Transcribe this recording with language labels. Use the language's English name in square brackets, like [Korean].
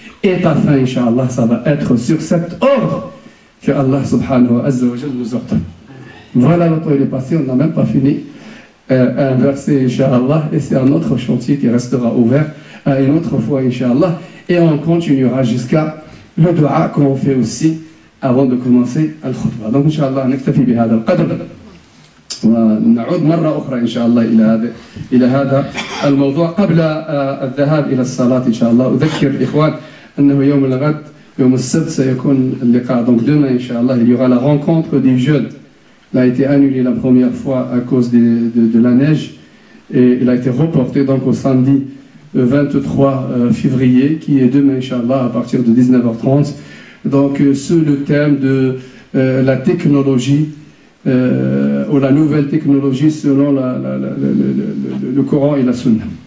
[French] Et ta fin, inshallah, ça va être sur cet ordre que Allah, subhanahu wa azzawajal, nous ordonne. Voilà, le temps est passé, on n'a même pas fini un verset, inshallah. Et c'est un autre chantier qui restera ouvert à une autre fois, inshallah. Et on continuera jusqu'à le dua qu'on fait aussi avant de commencer الخطبة. [Arabic] Donc, inshallah, نكتفي بهذا القدر ونعود مرة أخرى inshallah إلى هذا الموضوع قبل الذهاب إلى الصلاة inshallah. أذكر إخوان أنه يوم الغد يوم السبت سيكون اللقاء. [French] Donc demain inshallah il y aura la rencontre des jeunes. Il a été annulé la première fois à cause de la neige et il a été reporté donc au samedi 23 février qui est demain inshallah à partir de 19h30. Donc, sur le thème de la technologie ou la nouvelle technologie selon le Coran et la Sunna.